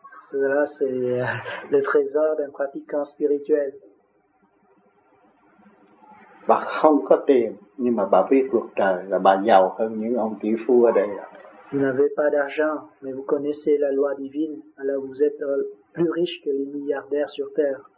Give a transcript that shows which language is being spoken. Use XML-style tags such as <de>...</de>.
<fr>Cela, c'est le trésor d'un pratiquant spirituel.</fr> <vi>Bà không có tiền, nhưng mà bà biết luật trời là bà giàu hơn những ông tỷ phú ở đây.</vi> <fr>Vous n'avez pas d'argent, mais vous connaissez la loi divine, alors vous êtes plus riche que les milliardaires sur terre.</fr>